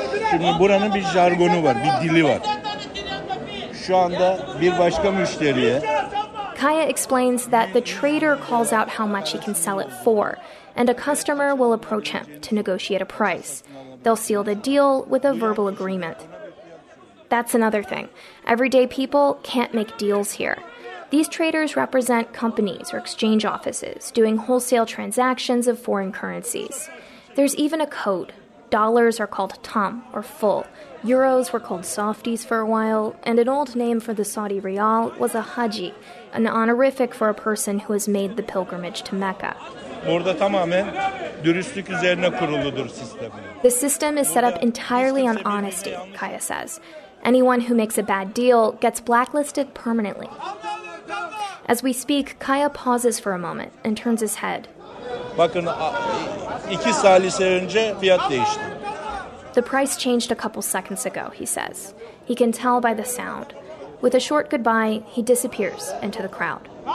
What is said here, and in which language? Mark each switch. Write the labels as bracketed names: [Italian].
[Turkish] Şimdi buranın bir jargonu var, bir dili var. Şu anda bir başka müşteriye. [English] Kaya explains that the trader calls out how much he can sell it for, and a customer will approach him to negotiate a price. They'll seal the deal with a verbal agreement. That's another thing. Everyday people can't make deals here. These traders represent companies or exchange offices doing wholesale transactions of foreign currencies. There's even a code. Dollars are called tam, or full. Euros were called softies for a while, and an old name for the Saudi rial was a haji, an honorific for a person who has made the pilgrimage to Mecca. [Turkish] Burada tamamen dürüstlük üzerine kuruludur sistem. [English] The system is set up entirely on honesty, Kaya says. Anyone who makes a bad deal gets blacklisted permanently. As we speak, Kaya pauses for a moment and turns his head. [Turkish] Bakın, iki salise önce fiyat değişti. [English] The price changed a couple seconds ago, he says. He can tell by the sound. With a short goodbye, he disappears into the crowd.